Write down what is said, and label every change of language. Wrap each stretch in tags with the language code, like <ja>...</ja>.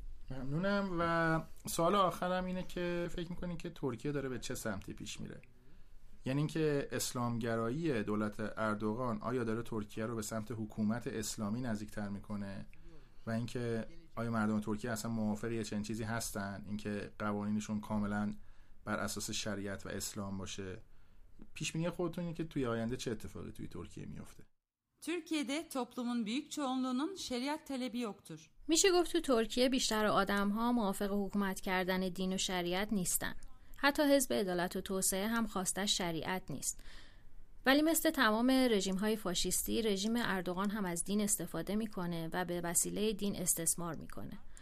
<fa>ممنونم و سوال آخرم اینه که فکر میکنین که ترکیه داره به چه سمتی پیش میره؟ یعنی که اسلامگرایی دولت اردوغان آیا داره ترکیه رو به سمت حکومت اسلامی نزدیکتر میکنه؟ و اینکه آیا مردم ترکیه اصلا موافق یه چنین چیزی هستن؟ اینکه قوانینشون کاملا بر اساس شریعت و اسلام باشه؟ پیش بینی خودتون اینه که توی آینده چه اتفاقی توی ترکیه میفته؟</fa> <tr>ترکیه‌ده toplumun büyük çoğunluğunun şeriat talebi yoktur.</tr> <fa>میشه گفت تو ترکیه بیشتر آدم‌ها موافق حکومت کردن دین و شریعت نیستن. حتی حزب عدالت و توسعه هم خواستش شریعت نیست. ولی مثل تمام رژیم‌های فاشیستی، رژیم اردوغان هم از دین استفاده می‌کنه و به وسیله دین استثمار می‌کنه.</fa>